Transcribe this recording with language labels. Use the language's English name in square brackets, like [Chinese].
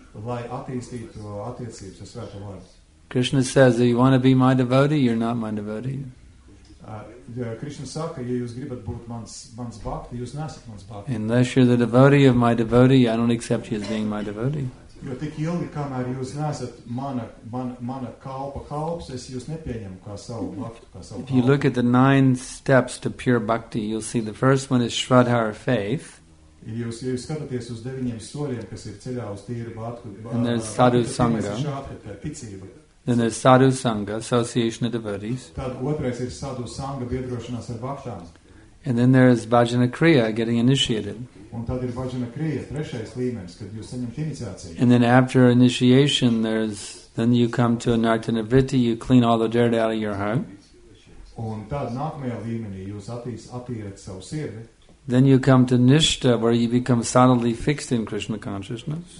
[Latvian] Lai attīstītu attiecības ar svēto vārdu. [English] Krishna says, if you want to be my devotee, you're not my devotee. [Latvian] Krishna saka, ja jūs gribat būt mans bhakti, jūs nesat mans bhakti. [English] Unless you're the devotee of my devotee, I don't accept you as being my devotee. [Latvian] Jo tik ilgi, kamēr jūs nesat mana kalpa kalps, es jūs nepieņemu kā savu bhakti, kā savu kalpu. [English] If you look at the 9 steps to pure bhakti, you'll see the first one is Shraddhar, faith. [Latvian] Jūs skatāties uz 9 soļiem, kas ir ceļā uz tīru bhakti. [English] And there's sadhu sangha. Then there's sadhu sangha, association of devotees. [Latvian] Tad otrais ir sadhu sangha, biedrošanās ar bhaktām. [English] And then there is bhajana kriya, getting initiated. [Latvian] Un tad ir bhajana kriya, trešais līmenis, kad jūs saņemt iniciāciju. [English] And then after initiation, then you come to anartana vritti, you clean all the dirt out of your heart. [Latvian] Un tad nākamajā līmenī jūs attīrat savu sirdi. [English] Then you come to nishta, where you become solidly fixed in Krishna consciousness.